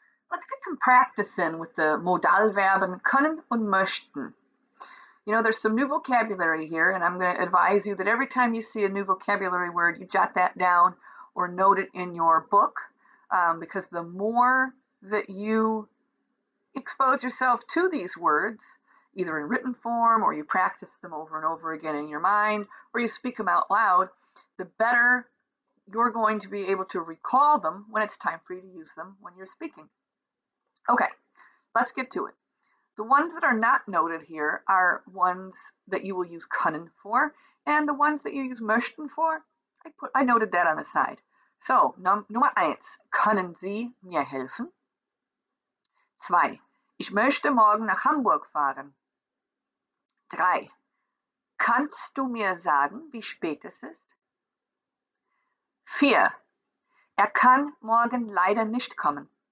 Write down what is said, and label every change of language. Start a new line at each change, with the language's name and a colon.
English: Let's get some practice in with the Modalverben können und möchten. There's some new vocabulary here, and I'm going to advise you that every time you see a new vocabulary word, you jot that down or note it in your book, because the more that you expose yourself to these words, either in written form or you practice them over and over again in your mind, or you speak them out loud, the better you're going to be able to recall them when it's time for you to use them when you're speaking. Okay, let's get to it. The ones that are not noted here are ones that you will use können for, and the ones that you use möchten for, I noted that on the side.
German: So, Nummer eins, können Sie mir helfen? Zwei, ich möchte morgen nach Hamburg fahren. Drei, kannst du mir sagen, wie spät es ist? Vier, er kann morgen leider nicht kommen.